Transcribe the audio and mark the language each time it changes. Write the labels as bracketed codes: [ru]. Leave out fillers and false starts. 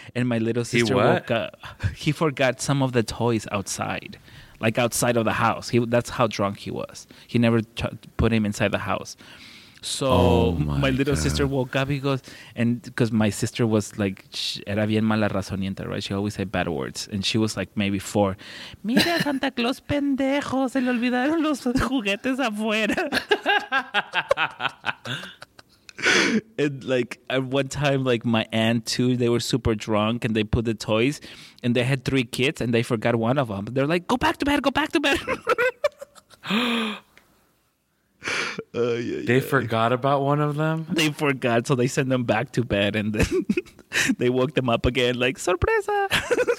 [en] And my little sister woke up. He forgot some of the toys outside, like outside of the house. That's how drunk he was. He never put him inside the house. So my little sister woke up, he goes, and because my sister was like, era bien mala razonienta, right? She always said bad words. And she was like maybe four. [es] Mira, Santa Claus, pendejo, se le olvidaron los juguetes afuera. [en] And like at one time, like my aunt too, they were super drunk and they put the toys and they had three kids and they forgot one of them. They're like, go back to bed, go back to bed. They forgot about one of them? They forgot, so they sent them back to bed and then they woke them up again like, sorpresa.